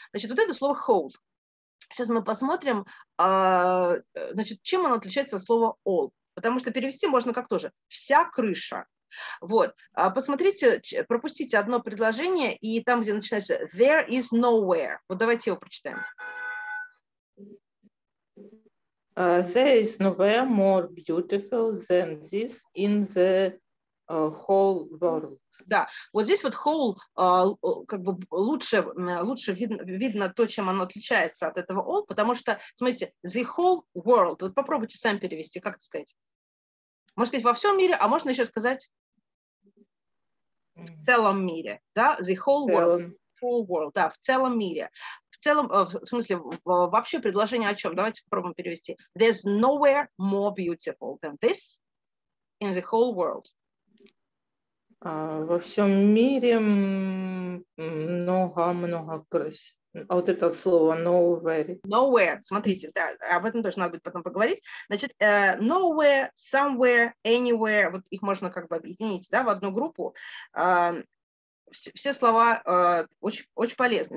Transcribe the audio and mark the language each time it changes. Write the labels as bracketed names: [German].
[Russian] Значит, вот это слово hold. Сейчас мы посмотрим, значит, чем оно отличается от слова all. Потому что перевести можно как тоже. Вся крыша. Вот. Посмотрите, пропустите одно предложение, и там, где начинается [English] there is nowhere. [Russian] Вот давайте его прочитаем. [English] There is nowhere more beautiful than this in the whole world. [Russian] Да, вот здесь вот whole, как бы лучше видно то, чем оно отличается от этого all, потому что, смотрите, [English] the whole world, [Russian] вот попробуйте сами перевести, как это сказать? Можно сказать во всем мире, а можно еще сказать в целом мире, да, [English] the whole world, whole world, [Russian] да, в целом мире. В целом, в смысле, вообще предложение о чем? Давайте попробуем перевести. [English] There's nowhere more beautiful than this in the whole world. [Russian] Во всем мире много-много красивее. Вот это слово nowhere. [English] Nowhere. [Russian] Смотрите, да, об этом тоже надо будет потом поговорить. Значит, [English] nowhere, somewhere, anywhere. [Russian] Вот их можно как бы объединить, да, в одну группу. Все слова очень, очень полезны.